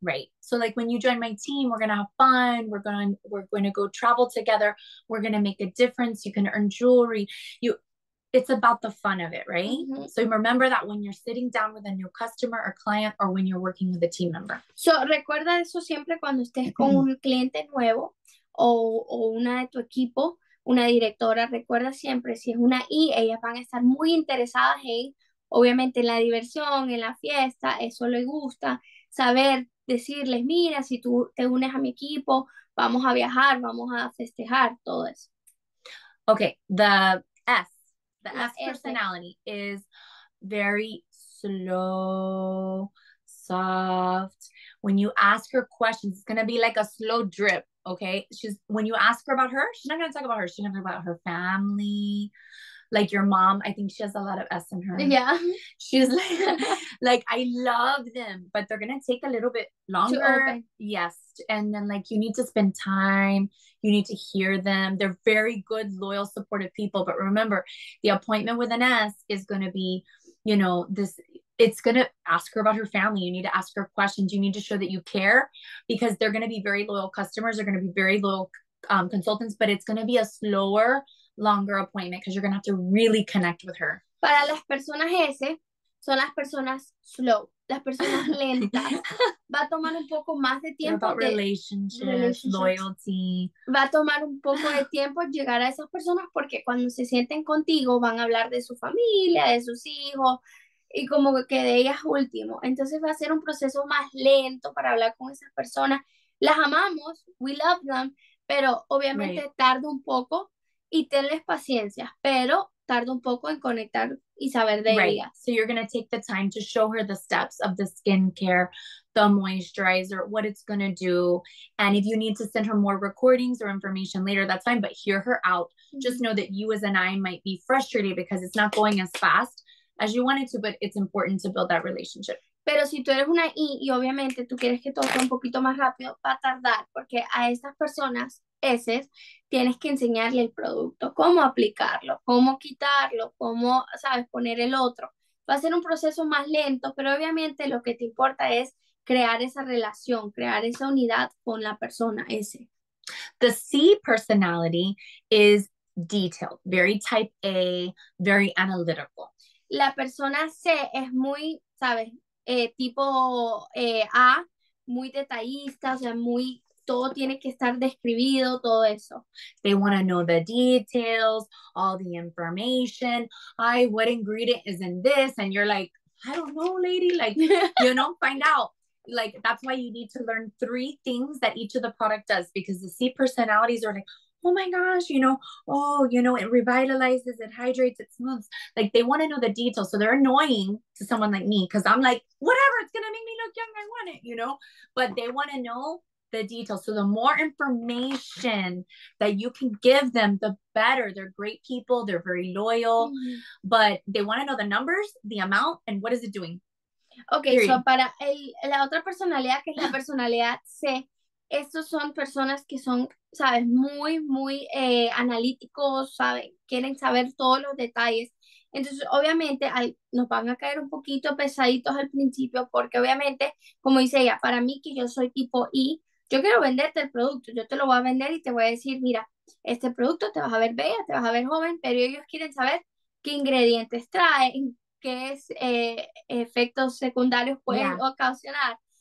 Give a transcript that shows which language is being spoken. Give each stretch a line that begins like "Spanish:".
English: Right. So like when you join my team, we're going to have fun, we're going to go travel together, we're going to make a difference, you can earn jewelry. It's about the fun of it, right? Mm-hmm. So remember that when you're sitting down with a new customer or client, or when you're working with a team member.
Spanish: So recuerda eso siempre cuando estés con un cliente nuevo o una de tu equipo, una directora, recuerda siempre, si es una I, ellas van a estar muy interesadas en, obviamente, en la diversión, en la fiesta, eso le gusta, saber, decirles, mira, si tú te unes a mi equipo, vamos a viajar, vamos a festejar, todo eso.
English: Okay, the S personality is very slow, soft, When you ask her questions, it's going to be like a slow drip, okay? When you ask her about her, she's not going to talk about her. She's going to talk about her family. Like your mom, I think she has a lot of S in her. Yeah. She's like, I love them, but they're going to take a little bit longer. Yes. And then like, you need to spend time. You need to hear them. They're very good, loyal, supportive people. But remember, the appointment with an S is going to be, you know, this, it's going to ask her about her family. You need to ask her questions. You need to show that you care, because they're going to be very loyal customers. They're going to be very loyal consultants, but it's going to be a slower, longer appointment, because you're gonna have to really connect with her.
Spanish: Para las personas S, son las personas slow, las personas lentas. Va a tomar un poco más de tiempo.
English: About relationships, loyalty.
Spanish: Va a tomar un poco de tiempo llegar a esas personas, porque cuando se sienten contigo van a hablar de su familia, de sus hijos, y como que de ellas último. Entonces va a ser un proceso más lento para hablar con esas personas. Las amamos,
English: we love them,
Spanish: pero obviamente right. Tarda un poco. Y tenles paciencia, pero tarda un poco en conectar y saber de ella.
English: So you're going to take the time to show her the steps of the skincare, the moisturizer, what it's going to do. And if you need to send her more recordings or information later, that's fine. But hear her out. Mm-hmm. Just know that you as an eye might be frustrated because it's not going as fast as you wanted to, but it's important to build that relationship.
Spanish: Pero si tú eres una I y obviamente tú quieres que todo sea un poquito más rápido, va a tardar porque a estas personas eses, tienes que enseñarle el producto, cómo aplicarlo, cómo quitarlo, cómo, sabes, poner el otro. Va a ser un proceso más lento, pero obviamente lo que te importa es crear esa relación, crear esa unidad con la persona S.
English: The C personality is detailed, very type A, very analytical.
Spanish: La persona C es muy, sabes, tipo A, muy detallista, o sea, muy... Todo tiene que estar describido, todo eso.
English: They want to know the details, all the information. Ay, what ingredient is in this? And you're like, I don't know, lady. Like, you know, find out. Like, that's why you need to learn three things that each of the product does. Because the C personalities are like, oh my gosh, you know, oh, you know, it revitalizes, it hydrates, it smooths. Like, they want to know the details. So they're annoying to someone like me. Because I'm like, whatever, it's going to make me look young. I want it, you know. But they want to know the details. So the more information that you can give them, the better. They're great people. They're very loyal, but they want to know the numbers, the amount, and what is it doing? Okay.
Spanish: Period. So para la otra personalidad, que es la personalidad C, estos son personas que son, sabes, muy, muy analíticos, saben, quieren saber todos los detalles. Entonces, obviamente, nos van a caer un poquito pesaditos al principio, porque obviamente, como dice ella, para mí, que yo soy tipo I, yo quiero venderte el producto, yo te lo voy a vender y te voy a decir, mira, este producto te vas a ver bella, te vas a ver joven, pero ellos quieren saber qué ingredientes traen, qué es, efectos secundarios pueden yeah. ocasionar.